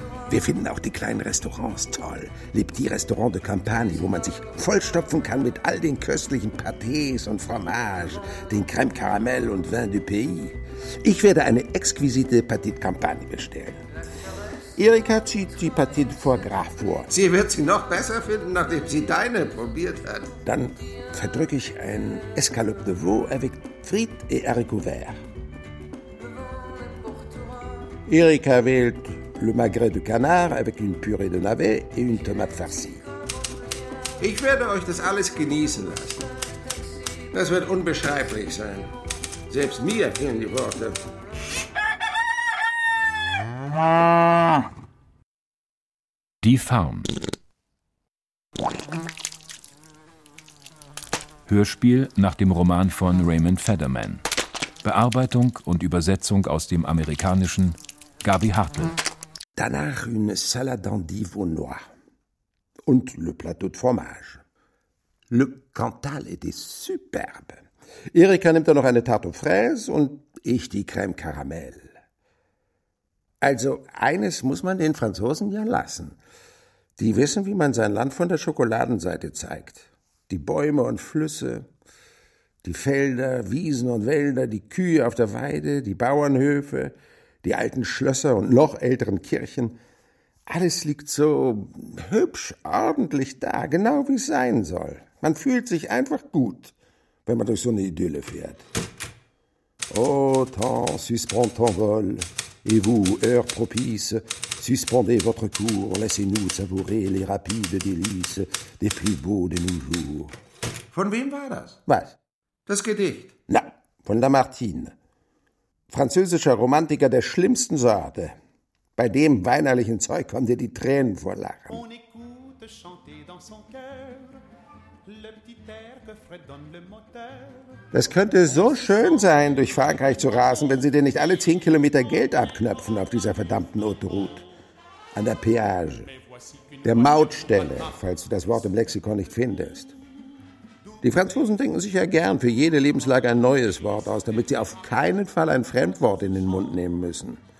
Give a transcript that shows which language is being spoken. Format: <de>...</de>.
<de>Wir finden auch die kleinen Restaurants toll. Le Petit Restaurant de Campagne, wo man sich vollstopfen kann mit all den köstlichen Pâtés und Fromage, den Crème Caramel und Vin du Pays. Ich werde eine exquisite Petite Campagne bestellen. Erika zieht die Petite Foie Gras vor. Sie wird sie noch besser finden, nachdem sie deine probiert hat. Dann verdrücke ich ein</de> <fr>Escalope de Veau avec frites et haricots.</fr> <de>Erika wählt</de> <fr>le magret de canard avec une purée de navet et une tomate farcie.</fr> <de>Ich werde euch das alles genießen lassen. Das wird unbeschreiblich sein. Selbst mir fehlen die Worte. Die Farm. Hörspiel nach dem Roman von Raymond Federman. Bearbeitung und Übersetzung aus dem Amerikanischen, Gabi Hartl. Danach</de> <fr>une salade d'endive au noir.</fr> <de>Und</de> <fr>le plateau de fromage. Le Cantal était superbe.</fr> <de>Erika nimmt dann noch eine Tarte aux fraises und ich die Crème Caramel. Also eines muss man den Franzosen ja lassen. Die wissen, wie man sein Land von der Schokoladenseite zeigt. Die Bäume und Flüsse, die Felder, Wiesen und Wälder, die Kühe auf der Weide, die Bauernhöfe, die alten Schlösser und noch älteren Kirchen. Alles liegt so hübsch, ordentlich da, genau wie es sein soll. Man fühlt sich einfach gut, wenn man durch so eine Idylle fährt.</de> <fr>Autant suspend ton vol, et vous, heure propice, suspendez votre cours, laissez-nous savourer les rapides délices des plus beaux de nos jours.</fr> <de>Von wem war das? Was? Das Gedicht. Na, von Lamartine. Französischer Romantiker der schlimmsten Sorte. Bei dem weinerlichen Zeug kommen dir die Tränen vor Lachen.</de> <fr>On écoute chanter dans son cœur le petit air que fredonne le moteur.</fr> <de>Es könnte so schön sein, durch Frankreich zu rasen, wenn sie dir nicht alle 10 Kilometer Geld abknöpfen auf dieser verdammten Autoroute. An der Péage, der Mautstelle, falls du das Wort im Lexikon nicht findest. Die Franzosen denken sich ja gern für jede Lebenslage ein neues Wort aus, damit sie auf keinen Fall ein Fremdwort in den Mund nehmen müssen.</de>